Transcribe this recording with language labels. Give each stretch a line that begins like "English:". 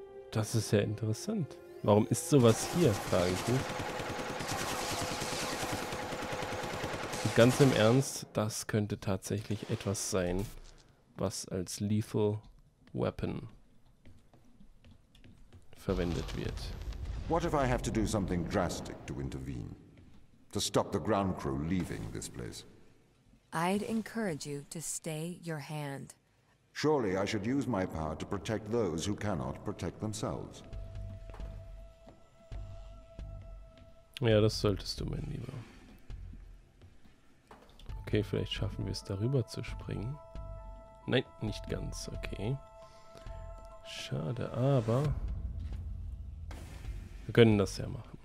German: Das ist ja interessant. Warum ist sowas hier, frage ich mich. Ganz im Ernst, das könnte tatsächlich etwas sein, was als Lethal Weapon verwendet wird.
English: What if I have to do something drastic to intervene? To stop the ground crew leaving this place? I'd encourage you to stay your hand. Surely I should use my power to protect those who cannot protect themselves.
German: Ja, das solltest du, mein Lieber. Okay, vielleicht schaffen wir es, darüber zu springen. Nein, nicht ganz. Okay. Schade, aber... Wir können das ja machen.